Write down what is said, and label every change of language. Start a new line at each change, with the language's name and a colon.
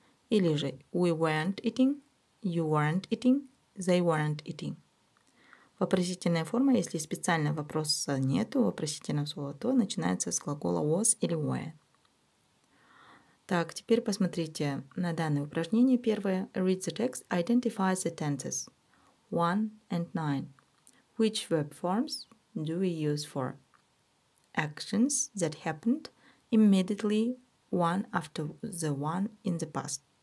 English: Или же we weren't eating, you weren't eating, they weren't eating.
Russian: Вопросительная форма, если специально вопроса нету, вопросительного слова, то начинается с глагола was или were. Так, теперь посмотрите на данное упражнение.
English: Первое. Read the text. Identify the tenses. 1 and 9. Which verb forms do we use for actions that happened immediately one after the one in the past?